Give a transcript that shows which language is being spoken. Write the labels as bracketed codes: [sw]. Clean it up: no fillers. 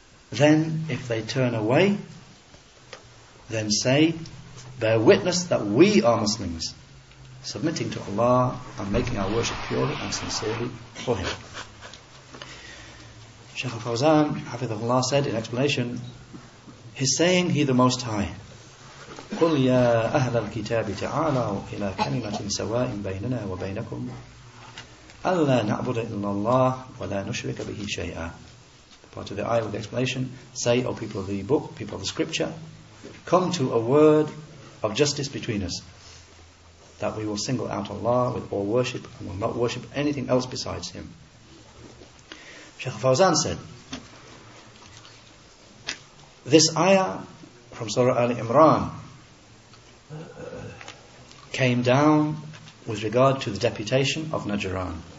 [en] Then if they turn away, then say, bear witness that we are Muslims, submitting to Allah and making our worship purely and sincerely for Him. Shaykh al-Fawzan, hafidhahullah, said in explanation, his saying, He the Most High, [ar] قُلْ يَا أَهْلَ الْكِتَابِ تَعَالَوْا إِلَىٰ كَلِمَةٍ سَوَاءٍ بَيْنَنَا وَبَيْنَكُمْ أَلَّا نَعْبُدَ إِلَّا اللَّهَ وَلَا نُشْرِكَ بِهِ شَيْئًا. [en] Part of the ayah with the explanation, say, O people of the book, people of the scripture, come to a word of justice between us, that we will single out Allah with all worship and will not worship anything else besides Him. Shaykh al-Fawzan said, this ayah from Surah Ali Imran came down with regard to the deputation of Najran.